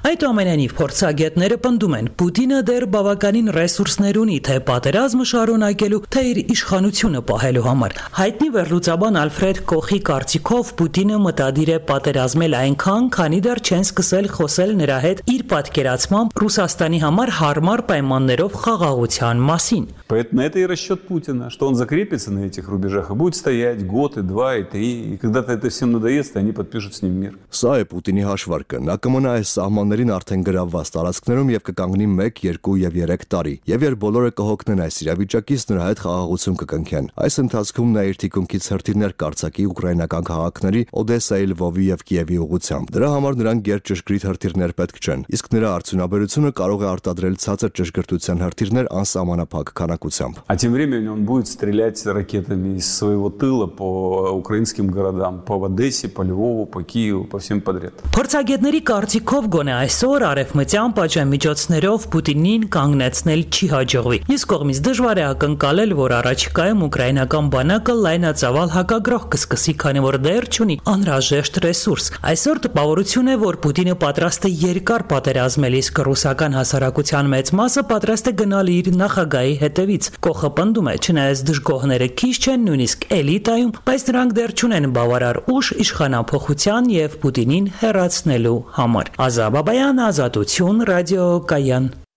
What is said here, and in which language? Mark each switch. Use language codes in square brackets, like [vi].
[hy] Այդուամենայնիվ, փորձագետները պնդում են, Պուտինը դեռ բավականին ռեսուրսներ ունի թե պատերազմը շարունակելու, թե իր իշխանությունը պահելու համար։ Հայտնի վերլուծաբան Ալֆրեդ Կոխի կարծիքով Պուտինը մտադիր է պատերազմել այնքան, քանի դեռ չեն սկսել խոսել նրա հետ իր պատկերացմամբ Ռուսաստանի համար հարմար պայմաններով խաղաղության մասին։ [ru] Поэтому это и расчет Путина, что он закрепится на этих рубежах и будет стоять год и два и три, и когда-то это всем надоест, и они подпишут с ним мир. [hy] Սա է Պուտինի հաշվարկը, նա կմնա այս սահմաններին արդեն գրաված տարածքներում և կկանգնի 1, 2 և 3 տարի, և երբ բոլորը կհոգնեն այս իրավիճակից, նրա հետ խաղաղություն կկնքեն։ Այս ընթացքում նա իր թիկունքից հրթիրներ կարծակի ուկրաինական քաղաքների Օդեսայի, Լվովի և Կիևի ուղությամբ։ Դրա համար նրան գեր ճշգրիտ հրթիրներ պետք չեն, իսկ նրա արդյունաբերությունը կարող է արտադրել ցածր ճշգրտության հրթիրներ անսահմանափակ քանակ։ [ru] А тем временем он будет стрелять ракетами из своего тыла по украинским городам, по Одессе, по Львову, по Киеву, по всем подряд. [hy] Փորձագետների կարծիքով գոնե այսօր արևմտյան պատժամիջոցներով Պուտինին կանգնեցնել չի հաջողվի։ Իս կողմից դժվար է ակնկալել, որ առաջիկայում ուկրաինական բանակը լայնածավալ հակագրող կսկսի, քանի որ դեռ չունի անհրաժեշտ ռեսուրս։ Այսօր տպավորություն է, որ Պուտինը պատրաստ է երկար պատերազմել, իսկ ռուսական հասարակության մեծ մասը պատրաստ է գնալ իր նախագահի հետևից։ Կոխը պնդում է, չնայած դժգոհները քիչ չեն նույնիսկ էլիտայում, բայց նրանք դեռ չունեն բավարար ուժ իշխանափոխության և Պուտինին հեռացնելու համար։ Ազա Բաբայան, Ազատություն, Ռադիո Կայան։